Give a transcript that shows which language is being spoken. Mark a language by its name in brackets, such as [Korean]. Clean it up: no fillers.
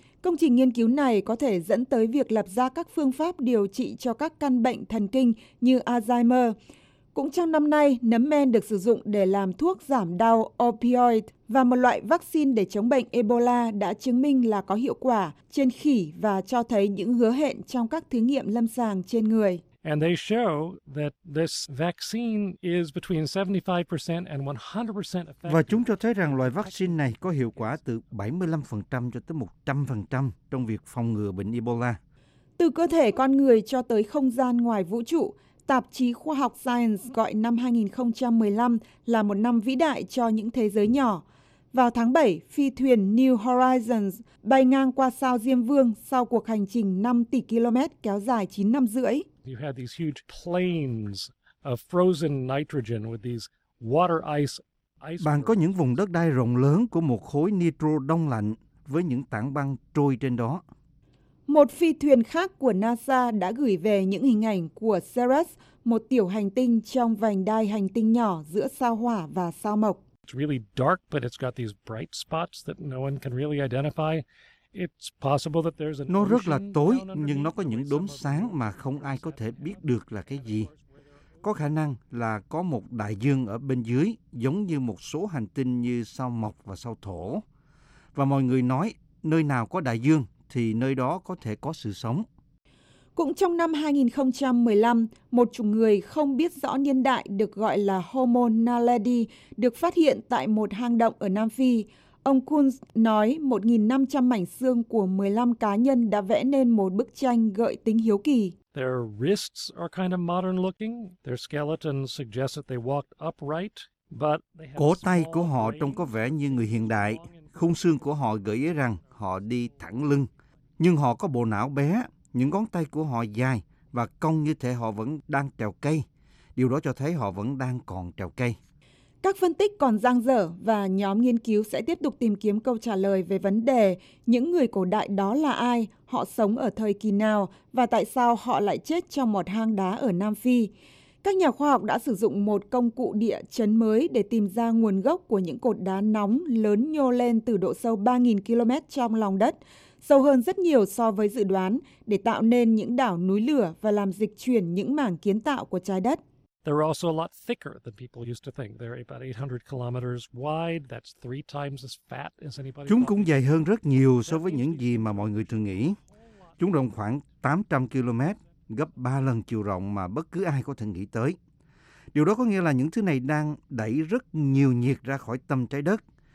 [Vietnamese] Công trình nghiên cứu này có thể dẫn tới việc lập ra các phương pháp điều trị cho các căn bệnh thần kinh như Alzheimer. Cũng trong năm nay, nấm men được sử dụng để làm thuốc giảm đau opioid và một loại vaccine để chống bệnh Ebola đã chứng minh là có hiệu quả trên khỉ và cho thấy những hứa hẹn trong các thí nghiệm lâm sàng trên người. [English] And they show that this vaccine is between 75% and 100% effective. [Vietnamese] Và chúng cho thấy rằng loại vaccine này có hiệu quả từ 75% cho tới 100% trong việc phòng ngừa bệnh Ebola. Từ cơ thể con người cho tới không gian ngoài vũ trụ, tạp chí khoa học Science gọi năm 2015 là một năm vĩ đại cho những thế giới nhỏ. Vào tháng 7, phi thuyền New Horizons bay ngang qua sao Diêm Vương sau cuộc hành trình 5 tỷ km kéo dài 9 năm rưỡi. [English] You had these huge plains of frozen nitrogen with these water ice. [Vietnamese] Bạn có những vùng đất đai rộng lớn của một khối nitro đông lạnh với những tảng băng trôi trên đó. Một phi thuyền khác của NASA đã gửi về những hình ảnh của Ceres, một tiểu hành tinh trong vành đai hành tinh nhỏ giữa sao Hỏa và sao Mộc. [English] It's really dark, but it's got these bright spots that no one can really identify. It's possible that there's an [Vietnamese] ocean. Nó rất là tối nhưng nó có những đốm sáng mà không ai có thể biết được là cái gì. Có khả năng là có một đại dương ở bên dưới, giống như một số hành tinh như sao Mộc và sao Thổ. Và mọi người nói nơi nào có đại dương thì nơi đó có thể có sự sống. Cũng trong năm 2015, một chủng người không biết rõ niên đại được gọi là Homo naledi được phát hiện tại một hang động ở Nam Phi. Ông Kunz nói 1.500 mảnh xương của 15 cá nhân đã vẽ nên một bức tranh gợi tính hiếu kỳ. [English] Their wrists are kind of modern looking. Their skeleton suggests that they walked upright, but they have. [Vietnamese] Cổ tay của họ trông có vẻ như người hiện đại. Khung xương của họ gợi ý rằng họ đi thẳng lưng. Nhưng họ có bộ não bé, những ngón tay của họ dài và cong như thể họ vẫn đang trèo cây. Điều đó cho thấy họ vẫn đang còn trèo cây. Các phân tích còn dang dở và nhóm nghiên cứu sẽ tiếp tục tìm kiếm câu trả lời về vấn đề những người cổ đại đó là ai, họ sống ở thời kỳ nào và tại sao họ lại chết trong một hang đá ở Nam Phi. Các nhà khoa học đã sử dụng một công cụ địa chấn mới để tìm ra nguồn gốc của những cột đá nóng lớn nhô lên từ độ sâu 3.000 km trong lòng đất, sâu hơn rất nhiều so với dự đoán, để tạo nên những đảo núi lửa và làm dịch chuyển những mảng kiến tạo của trái đất. [English] They're also a lot thicker than people used to think. They're about 800 kilometers wide. That's three times as fat as anybody. [Vietnamese] Chúng cũng dày hơn rất nhiều so với những gì mà mọi người thường nghĩ. Chúng rộng khoảng 800 km, gấp 3 lần chiều rộng mà bất cứ ai có thể nghĩ tới. Điều đó có nghĩa là những thứ này đang đẩy rất nhiều nhiệt ra khỏi tâm trái đất.